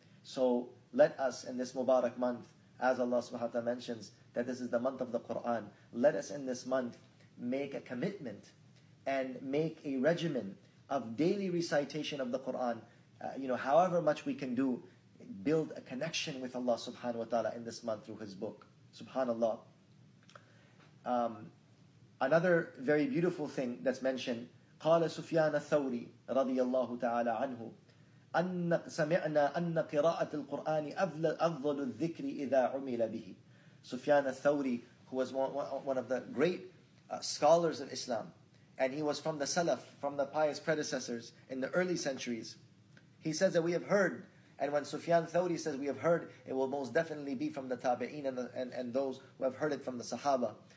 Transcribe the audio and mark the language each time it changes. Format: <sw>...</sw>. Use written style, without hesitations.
<en>So let us in this Mubarak month, as Allah subhanahu wa ta'ala mentions, that this is the month of the Qur'an, let us in this month make a commitment and make a regimen of daily recitation of the Qur'an. However much we can do, build a connection with Allah subhanahu wa ta'ala in this month through His book. Subhanallah. Another very beautiful thing that's mentioned,</en> <ar>قال سفيان الثوري رضي الله تعالى عنه أن سمعنا أن قراءة القرآن أفضل الذكر إذا عمل به.</ar> <en>Sufyan al-Thawri, who was one of the great scholars of Islam, and he was from the Salaf, from the pious predecessors in the early centuries, he says that we have heard, and when Sufyan al-Thawri says we have heard, it will most definitely be from the Tabi'een and those who have heard it from the Sahaba.</en>